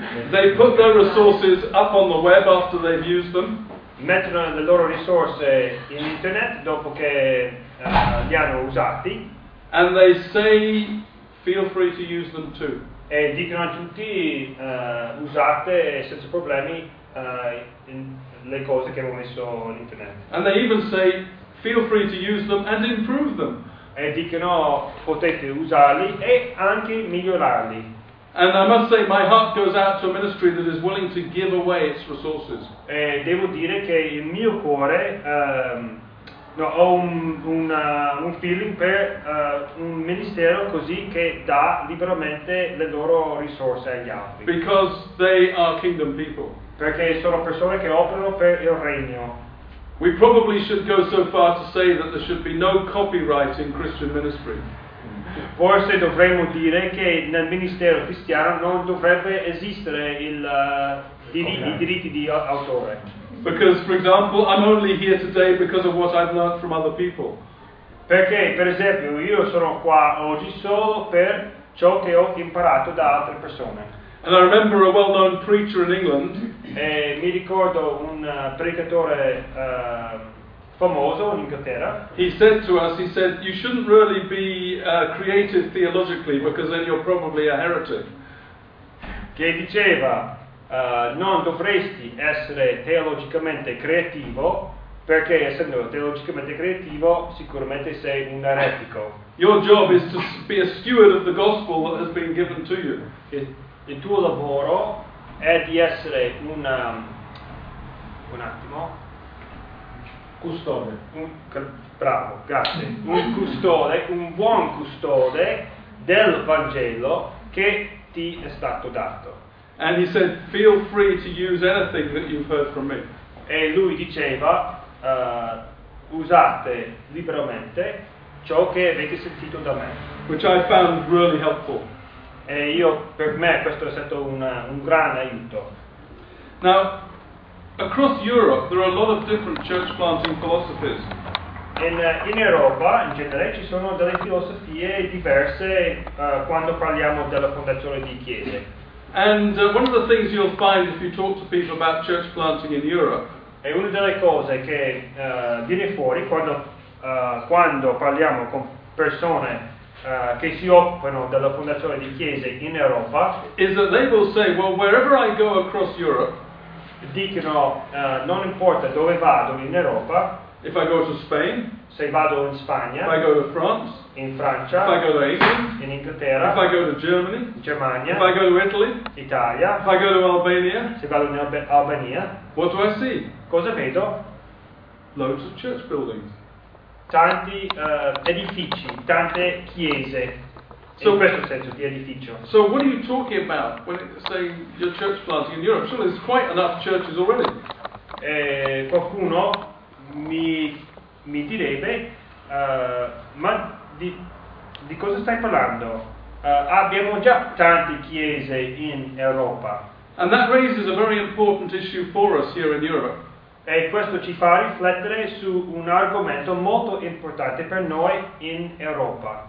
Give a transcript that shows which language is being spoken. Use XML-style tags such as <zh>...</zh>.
<en>They put their resources up on the web after they've used them.</en> <it>Mettono le loro risorse in internet dopo che li hanno usati.</it> <en>And they say, feel free to use them too.</en> <it>E dicono a tutti, usate senza problemi in le cose che abbiamo messo in internet.</it> <en>And they even say, feel free to use them and improve them.</en> <it>E dicono potete usarli e anche migliorarli.</it> <en>And I must say my heart goes out to a ministry that is willing to give away its resources.</en> <it>E devo dire che il mio cuore ho un feeling per un ministero così che dà liberamente le loro risorse agli altri.</it> <en>Because they are kingdom people.</en> <it>Perché sono persone che operano per il regno.</it> <en>We probably should go so far to say that there should be no copyright in Christian ministry.</en> <it>Forse dovremmo dire che nel ministero cristiano non dovrebbe esistere i diritti di autore.</it> <en>Because, for example, I'm only here today because of what I've learned from other people.</en> <it>Perché, per esempio, io sono qua oggi solo per ciò che ho imparato da altre persone.</it> <en>And I remember a well-known preacher in England.</en> <it>E mi ricordo un predicatore famoso in Inghilterra.</it> <en>He said to us, he said, you shouldn't really be creative theologically because then you're probably a heretic.</en> <it>Che diceva, non dovresti essere teologicamente creativo perché essendo teologicamente creativo sicuramente sei un eretico.</it> <en>Your job is to be a steward of the gospel that has been given to you.</en> <it>Il tuo lavoro è di essere un attimo custode, bravo, grazie, un custode, un buon custode del Vangelo che ti è stato dato.</it> <en>And he said, feel free to use anything that you've heard from me.</en> <it>E lui diceva, usate liberamente ciò che avete sentito da me.</it> <en>Which I found really helpful.</en> <it>E io, per me, questo è stato un gran aiuto.</it> <en>Now, across Europe, there are a lot of different church planting philosophies.</en> <it>In Europa, in genere, ci sono delle filosofie diverse quando parliamo della fondazione di chiese.</it> <en>And one of the things you'll find if you talk to people about church planting in Europe.</en> <it>È una delle cose che viene fuori quando quando parliamo con persone che si occupano della fondazione di chiese in Europa.</it> <en>Is that they will say, well, wherever I go across Europe.</en> <it>Dicono, non importa dove vado in Europa.</it> <en>If I go to Spain.</en> <it>Se vado in Spagna.</it> <en>If I go to France.</en> <it>In Francia.</it> <en>If I go to England.</en> <it>In Inghilterra.</it> <en>If I go to Germany.</en> <it>In Germania.</it> <en>If I go to Italy.</en> <it>Italia.</it> <en>If I go to Albania.</en> <it>Se vado in Albania.</it> <en>What do I see?</en> <it>Cosa vedo?</it> <en>Loads of church buildings.</en> <it>Tanti edifici, tante chiese.</it> <en>So,</en> <it>in questo senso di edificio.</it> <en>So what are you talking about when you say your church planting in Europe? Surely there's quite enough churches already.</en> <it>Qualcuno mi direbbe, ma di cosa stai parlando? Abbiamo già tante chiese in Europa.</it> <en>And that raises a very important issue for us here in Europe.</en> <it>E questo ci fa riflettere su un argomento molto importante per noi in Europa.</it>